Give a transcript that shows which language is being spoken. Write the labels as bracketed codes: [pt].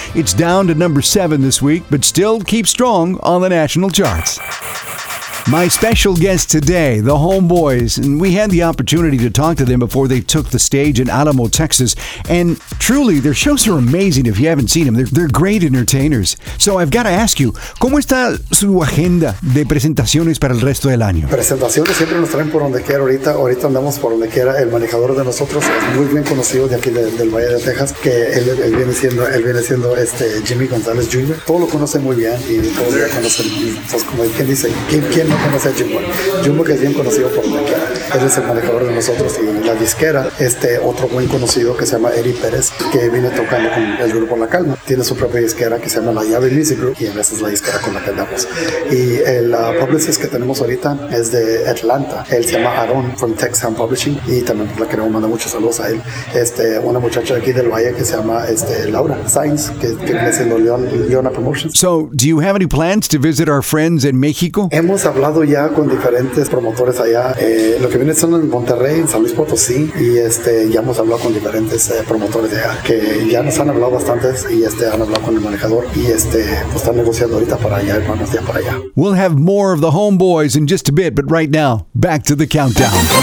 [en] It's down to number 7 this week, but still keeps strong on the national charts. My special guest today, the Homeboys, and we had the opportunity to talk to them before they took the stage in Alamo, Texas, and truly, their shows are amazing if you haven't seen them. They're great entertainers. So I've got to ask you, [es] ¿cómo está su agenda de presentaciones para el resto del año? Presentaciones siempre nos traen por donde quiera. Ahorita andamos por donde quiera. El manejador de nosotros es muy bien conocido de aquí del Valle de Texas, que él viene siendo este Jimmy González Jr. Todo lo conoce muy bien y todo lo conoce. Entonces, como quien dice, ¿quién no conoce a Jumbo, que es bien conocido por donde quiera. Él es el manejador de nosotros. Y la disquera, otro buen conocido que se llama Eric Pérez, que viene tocando con el grupo La Calma. Tiene su propia disquera que se llama La Llave Music Group, y esa es la disquera con la que andamos. Y el publicist que tenemos ahorita es de Atlanta. Él se llama Aaron from Texan Publishing, y también la queremos mandar muchos saludos a él. Una muchacha aquí del Valle que se llama Laura Sainz, que viene siendo Leona Promotions. [en] So, do you have any plans to visit our friends in Mexico? [es] Hemos hablado ya con diferentes promotores allá, lo que viene siendo en Monterrey, en San Luis Potosí, y ya hemos hablado con diferentes promotores de allá, que ya nos han hablado bastantes, y han hablado con el manejador, y pues están negociando ahorita para allá, hermanos, ya para allá. [en] We'll have more of the Homeboys in just a bit, but right now, back to the countdown.